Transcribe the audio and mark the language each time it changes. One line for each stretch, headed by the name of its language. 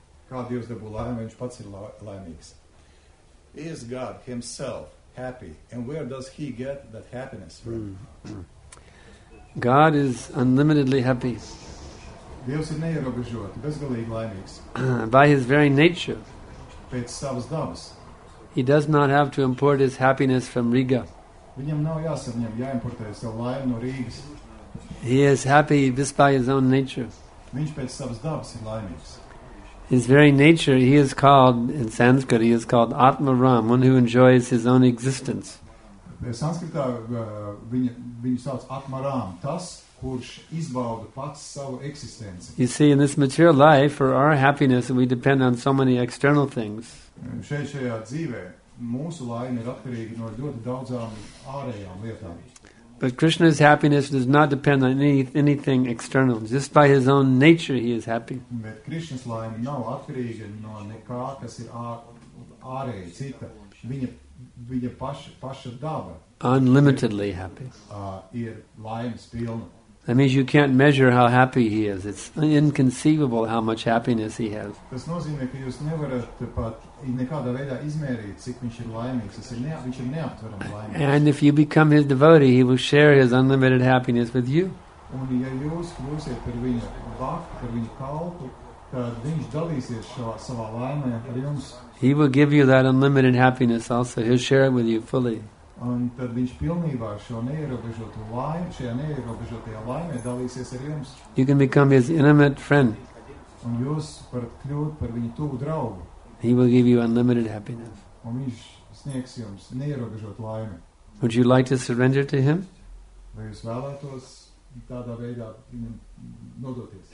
Latvian: Kā Dievs dabū laimi, viņš pats ir laimīgs.
English: Is God himself happy? And where does he get that happiness from? God is unlimitedly happy.
Latvian: Dievs ir neierobežots, bezgalīgi laimīgs.
English: By his very nature.
Latvian: Pēc savas dabas.
English: He does not have to import his happiness from Riga.
Latvian: Viņam nav jāimportē savu laimi no Rīgas.
English: He is happy just by his own nature.
Latvian: Viņš pēc savas dabas ir laimīgs.
English: His very nature, he is called, in Sanskrit, he is called Atmaram, one who enjoys his own existence.
Latvian: Sanskritā viņu sauc Atmaram, tas, kurš izbauda pats savu eksistenci.
English: You see, in this material life, for our happiness, we depend on so many external things.
Latvian: Šajā dzīvē mūsu laime ir atkarīga no ļoti daudzām ārējām lietām.
English: But Krishna's happiness does not depend on anything external. Just by his own nature, he is happy.
Latvian: Bet Krishna's laime nav atkarīga no nekā, kas ir ārēji cita. Viņa paša daba.
English: Unlimitedly happy.
Latvian: Ir laimes pilna.
English: That means you can't measure how happy he is. It's inconceivable how much happiness he has.
Latvian: Tas nozīmē, ka jūs nevarat pat nekādā veidā izmērīt, cik viņš ir laimīgs. Viņš ir neaptverams laimīgs.
English: And if you become his devotee, he will share his unlimited happiness with you.
Latvian: Un ja jūs kļūsiet par viņa bhakti, par viņa kalpu, tad viņš dalīsies savā laimē ar jums.
English: He will give you that unlimited happiness also. He'll share it with you fully.
Latvian: Un tad viņš pilnībā šo neierobežotu laimi, šajā neierobežotajā laimē dalīsies ar jums.
English: You can become his intimate friend.
Latvian: Un jūs varat kļūt par viņu tuvu draugu.
English: He will give you unlimited happiness.
Latvian: Un viņš sniegs jums neierobežotu laimi.
English: Would you like to surrender to him?
Latvian: Vai jūs vēlētos tādā veidā viņam nodoties?